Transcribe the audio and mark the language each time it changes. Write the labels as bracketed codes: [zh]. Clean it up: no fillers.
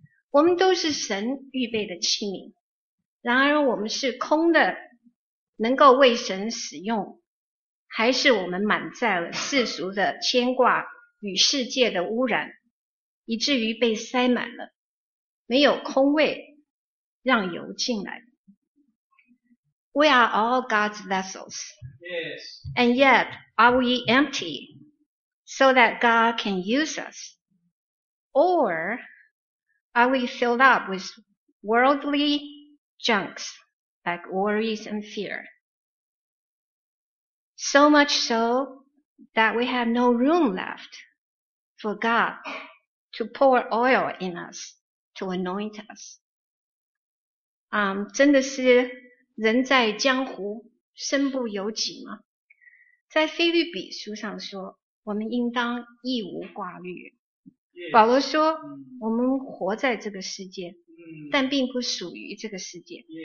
[zh] 我们都是神预备的器皿，然而我们是空的，能够为神使用，还是我们满载了世俗的牵挂与世界的污染，以至于被塞满了，没有空位让油进来。 [en] We are all God's vessels. Yes. And yet, are we empty so that God can use us? Or are we filled up with worldly junks like worries and fear? So much so that we have no room left for God to pour oil in us, to anoint us. [zh] 真的是人在江湖身不由己吗？在腓立比书上说，我们应当一无挂虑。保罗说，我们活在这个世界，但并不属于这个世界。